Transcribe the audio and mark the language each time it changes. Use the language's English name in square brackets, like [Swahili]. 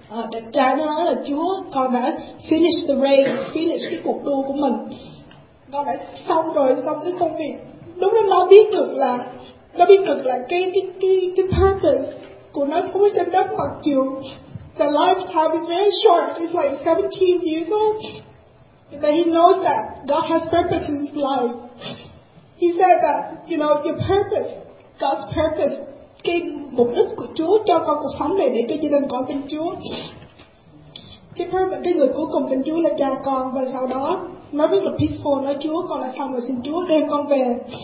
[Vietnamese] Đẹp trai nó nói là: Chúa, con đã [English] finish the race, [Vietnamese] finish cái cuộc đua của mình, con đã xong rồi, xong cái công việc. Đúng là nó biết được là cái purpose của nó sống trên đất, mặc dù [English] the lifetime is very short, it's like 17 years old. But he knows that God has purpose in his life. He said that, you know, your purpose, God's purpose, [Vietnamese] cái mục đích của Chúa cho con cuộc sống này, để cho gia đình con tin Chúa. Cái người cuối cùng tin Chúa là cha con, và sau đó nó rất là peaceful, nói: Chúa, con đã xong rồi, xin Chúa đem con về.